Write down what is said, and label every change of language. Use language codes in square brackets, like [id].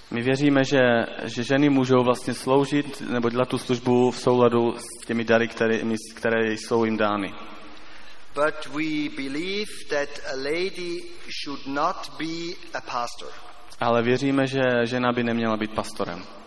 [cs] My věříme, že ženy můžou vlastně sloužit nebo dělat tu službu v souladu s těmi dary, které jsou jim dány. [en] But we believe that a lady should not be a pastor. [cs] Ale věříme, že žena by neměla být pastorem.